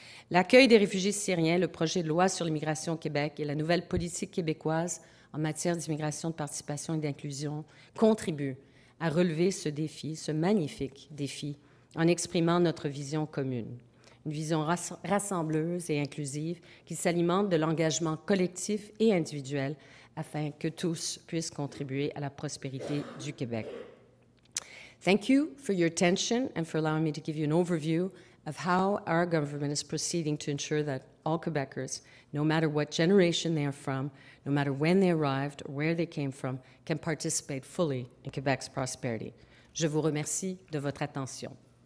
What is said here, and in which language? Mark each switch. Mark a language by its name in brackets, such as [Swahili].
[French] L'accueil des réfugiés syriens, le projet de loi sur l'immigration au Québec et la nouvelle politique québécoise en matière d'immigration, de participation et d'inclusion contribuent à relever ce défi, ce magnifique défi, en exprimant notre vision commune. Une vision rassembleuse et inclusive qui s'alimente de l'engagement collectif et individuel afin que tous puissent contribuer à la prospérité du Québec. [English] Thank you for your attention and for allowing me to give you an overview of how our government is proceeding to ensure that all Quebecers, no matter what generation they are from, no matter when they arrived or where they came from, can participate fully in Quebec's prosperity. [French] Je vous remercie de votre attention.